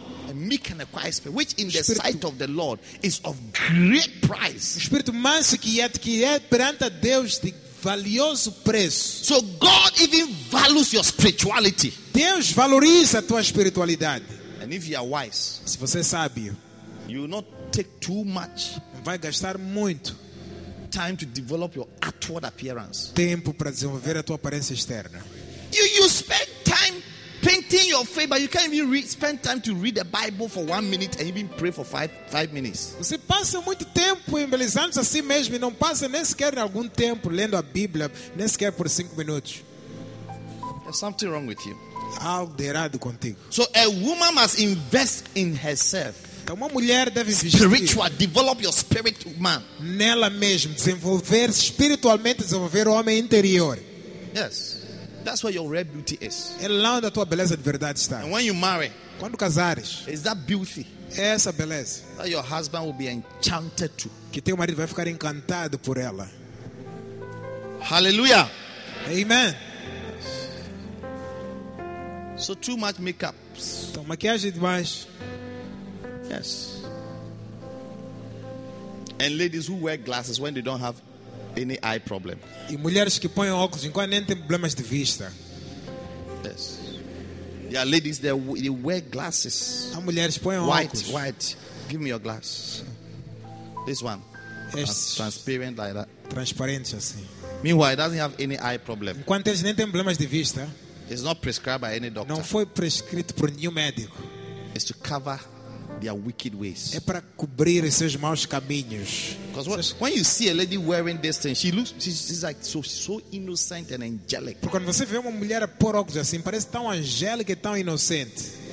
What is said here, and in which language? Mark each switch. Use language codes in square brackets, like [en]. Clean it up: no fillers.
[en] A meek and a quiet spirit, which in the sight of the Lord is of great price. [pt] Espírito manso que é perante a Deus de valioso preço. [en] So God even values your spirituality. [pt] Deus valoriza a tua espiritualidade. [en] And if you are wise, [pt] se você é sábio, [en] you will not take too much. [pt] Não vai gastar muito. [en] Time to develop your outward appearance. [pt] Tempo para desenvolver a tua aparência externa. [en] You spend time painting your face, but you can't even spend time to read the Bible for 1 minute and even pray for five minutes. [pt] Você passa muito tempo embelezando a si mesmo e não passa nem sequer algum tempo lendo a Bíblia, nem sequer por 5 [en] minutes. There's something wrong with you. [pt] Algo de errado contigo. [en] So a woman must invest in herself. [pt] Então uma mulher deve investir. [en] Spiritual, develop your spirit, man. [pt] Nela mesmo, desenvolver espiritualmente, desenvolver o homem interior. [en] Yes. That's where your real beauty is. [pt] É lá onde a tua beleza de verdade está. [en] And when you marry, [pt] quando casares, [en] is that beauty? [pt] É essa beleza. [en] That your husband will be enchanted to. [pt] Que teu marido vai ficar encantado por ela. [en] Hallelujah. [pt] Amen. [en] So too much makeup. [pt] Então maquiagem demais. [en] Yes. And ladies who wear glasses when they don't have any eye problem. [pt] E mulheres que põem óculos enquanto nem têm problemas de vista. [en] Yes. Yeah, ladies, they wear glasses. [pt] As mulheres põem óculos. [en] White. Give me your glass. This one. Yes. Transparent like that. [pt] Transparente assim. [en] Meanwhile, it doesn't have any eye problem. [pt] Enquanto eles nem têm problemas de vista. [en] It's not prescribed by any doctor. [pt] Não foi prescrito por nenhum médico. [en] It's to cover their wicked ways. [pt] É para cobrir seus maus caminhos. [en] Because when you see a lady wearing this thing, she's like so innocent and angelic. [pt] Porque quando você vê uma mulher a pôr óculos assim, parece tão angélica e tão inocente.